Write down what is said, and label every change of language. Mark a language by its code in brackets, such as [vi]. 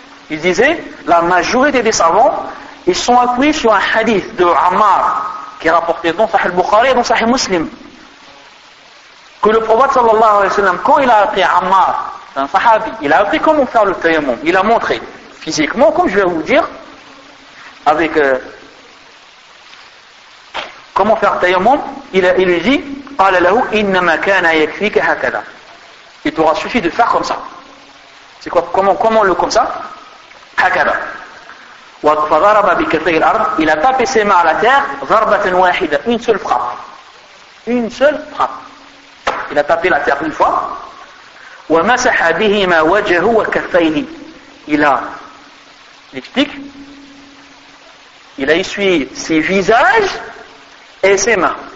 [fr] Il disait, la majorité des savants, ils sont appuyés sur un hadith de Ammar qui est rapporté dans Sahih al-Bukhari et dans Sahih Muslim. Que le prophète sallallahu alayhi wa sallam, quand il a appris Ammar, un sahabi, il a appris comment faire le tayammum. Il a montré physiquement, comme je vais vous dire, avec comment faire le tayammum. Il lui dit, [ar] قال له إنما كان يكفيك هكذا. [fr] Il t'aura suffi de faire comme ça. C'est quoi? Comment le comme ça? [ar] هكذا. وضرب بكفيه الأرض. [fr] Il a tapé ses mains à la terre. [ar] ضربة واحدة. [fr] Une seule frappe. Il a tapé la terre une fois. [ar] ومسح بهما وجهه وكفيه الى [fr] l'explique il a essuyé ses visages et ses mains.